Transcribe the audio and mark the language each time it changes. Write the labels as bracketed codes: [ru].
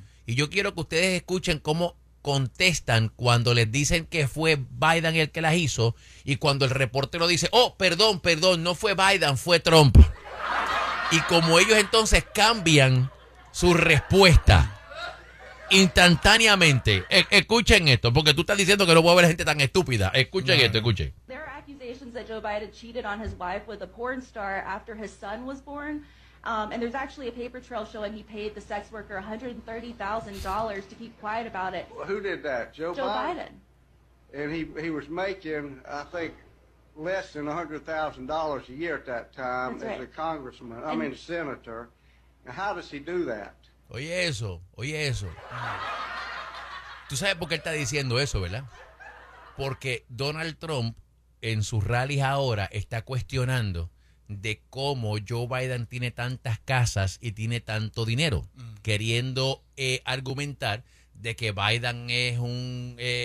[es] Y yo quiero que ustedes escuchen cómo contestan cuando les dicen que fue Biden el que las hizo y cuando el reportero dice, oh, perdón, perdón, no fue Biden, fue Trump. Y como ellos entonces cambian su respuesta instantáneamente. Escuchen esto, porque tú estás diciendo que no puedo ver gente tan estúpida. Escuchen esto, escuchen. [en] There are accusations that Joe Biden cheated on his wife with a porn star after his son was born. And there's actually a paper trail showing he paid the sex worker $130,000 to keep quiet about it. Well, who did that? Joe Biden. And he was making, I think, less than $100,000 a year at that time. That's right. As a congressman, a senator. Now, how does he do that? [es] Oye eso, oye eso. Tú sabes por qué él está diciendo eso, ¿verdad? Porque Donald Trump en sus rallies ahora está cuestionando de cómo Joe Biden tiene tantas casas y tiene tanto dinero, queriendo argumentar de que Biden es un